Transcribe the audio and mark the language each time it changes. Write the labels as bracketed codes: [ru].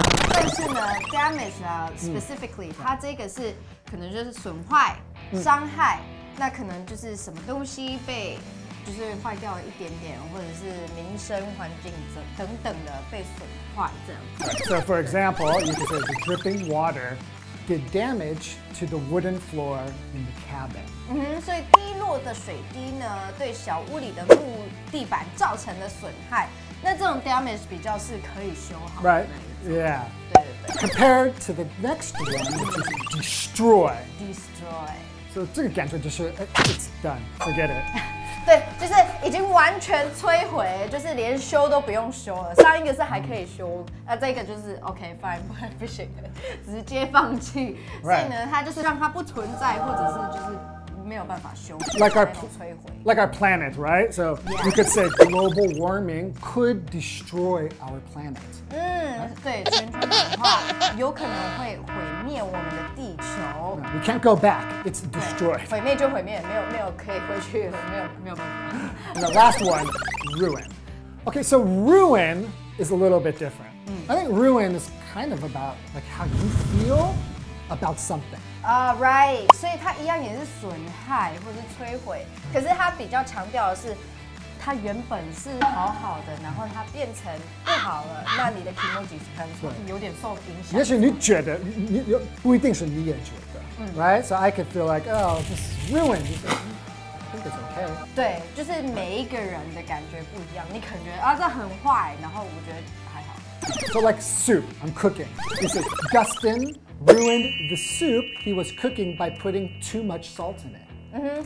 [zh] 但是呢 damage 呢 specifically,它这个是可能就是损坏、伤害，那可能就是什么东西被就是坏掉了一点点，或者是民生环境等等的被损坏这样。 [en] So for example, you could say the dripping water did damage to the wooden floor in the cabin. [zh] 所以滴落的水滴呢，对小屋里的木地板造成的损害，那这种 damage 比较是可以修好的。 [en] Right. Yeah. [zh] 对对对。 [en] Compared to the next one, which is destroy. Destroy. So [zh] 这个感觉就是 [en] it's done, forget it. [zh] 对，就是已经完全摧毁，就是连修都不用修了。上一个是还可以修，那这个就是 [en] OK fine， [zh] 不然不行，直接放弃。 [en] Right. [zh] 所以呢，它就是让它不存在，或者是就是没有办法修。 [en] Like our planet, right? So you could say global warming could destroy our planet. [zh] 对，全球暖化有可能会毁灭我们的地球。 [en] We can't go back. It's destroyed. [zh] 毁灭就毁灭，没有可以回去，没有办法。 [en] And the last one, ruin. Okay, so ruin is a little bit different. I think ruin is kind of about like how you feel about something. Right. [zh] 所以它一样也是损害或是摧毁，可是它比较强调的是，它原本是好好的，然后它变成不好了，那你的emoji可能有点受影响。也许你觉得，你不一定是你也觉得。 [en] Right? So I could feel like, oh, this is ruined. I think it's okay. [zh] 对，就是每一个人的感觉不一样，你可能觉得啊，这很坏，然后我觉得还好。 [en] So like soup, I'm cooking. This is Dustin ruined the soup he was cooking by putting too much salt in it.